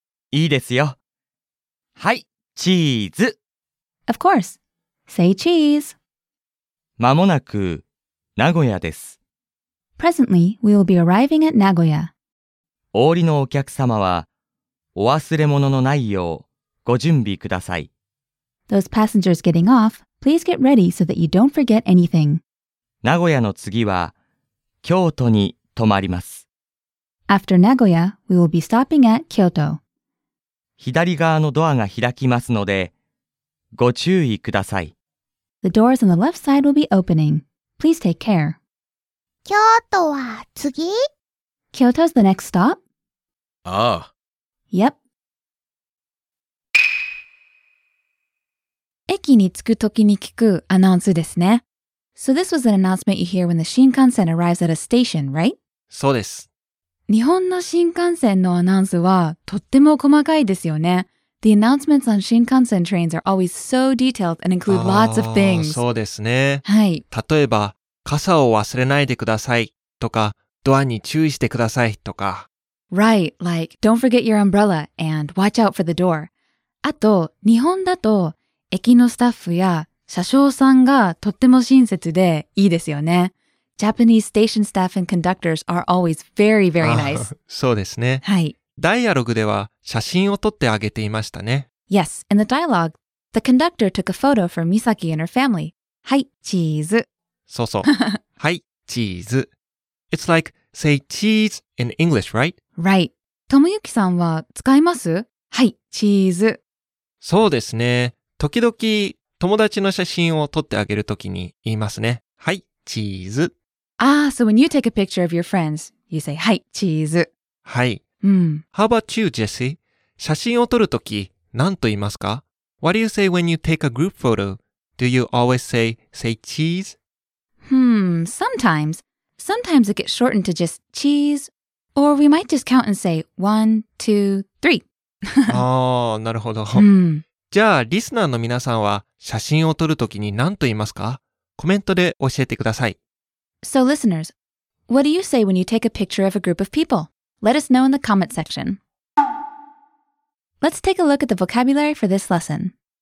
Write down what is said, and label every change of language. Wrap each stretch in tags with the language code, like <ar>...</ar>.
<ja>いいですよ。はい、チーズ。</ja> <en>Of course. Say cheese.</en> <ja>まもなく名古屋です。</ja> <en>Presently, we will be arriving at 名古屋。</en> <ja>お降りのお客様はお忘れ物のないようご準備ください。</ja> <en>Those passengers getting off, please get ready so that you don't forget anything.</en> <ja>名古屋の次は京都に泊まります。</ja> <en>After Nagoya, we will be stopping at Kyoto.</en> <ja>左側のドアが開きますので、ご注意ください。</ja> <en>The doors on the left side will be opening. Please take care.</en> <ja>京都は次?</ja> <en>Kyoto's the next stop?</en> <ja>ああ。</ja> <en>Yep,</en> <ja>に着くときに聞くアナウンスですね。</ja> <en>So this was an announcement you hear when the Shinkansen arrives at a station, right?</en> <ja>そうです。日本の新幹線のアナウンスはとっても細かいですよね。</ja> <en>The announcements on Shinkansen trains are always so detailed and include lots of things.</en> <ja>そうですね。はい。例えば、傘を忘れないでくださいとか、ドアに注意してくださいとか。</ja> <en>Right, like, don't forget your umbrella and watch out for the door.</en> <ja>あと、日本だと、駅のスタッフや車掌さんがとっても親切でいいですよね。</ja> <en>Japanese station staff and conductors are always very, very nice.</en> <ja>そうですね。はい。ダイアログでは写真を撮ってあげていましたね。</ja> <en>Yes, in the dialogue, the conductor took a photo for Misaki and her family.</en> <ja>はい、チーズ。そうそう。はい、チーズ。</ja> <en>It's like, say cheese in English, right?</en> <ja>Right. Tomoyuki さんは使います?はい、チーズ。そうですね。時々、友達の写真を撮ってあげるときに言いますね。はい、チーズ。</ja> <en>Ah, so when you take a picture of your friends, you say,</en> <ja>はい、チーズ。はい。うん。</ja> <en>How about you, Jesse?</en> <ja>写真を撮るとき、何と言いますか?</ja> <en>What do you say when you take a group photo? Do you always say cheese? Sometimes. Sometimes it gets shortened to just cheese. Or we might just count and say, one, two, three.</en> <ja>ああ、なるほど。うん。じゃあ、リスナーの皆さんは写真を撮るときに何と言いますか? コメントで教えてください。</ja> <en>So listeners, what do you say when you take a picture of a group of people? Let us know in the comment section. Let's take a look at the vocabulary for this lesson.</en>